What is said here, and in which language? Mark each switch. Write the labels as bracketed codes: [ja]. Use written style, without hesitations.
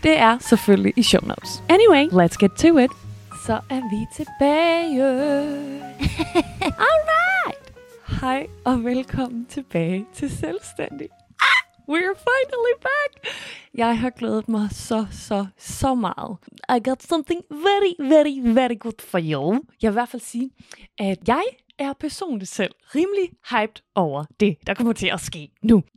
[da] Det er selvfølgelig i show notes. [en] Anyway, let's get to it. [da] Så er vi tilbage. [en] Alright! [da] Hej og velkommen tilbage til Selvstændig. [en] We're finally back! [da] Jeg har glædet mig så meget. [en] I got something very, very, very good for you. [da] Jeg vil i hvert fald sige, at jeg er personligt selv rimelig hyped over det, der kommer til at ske nu.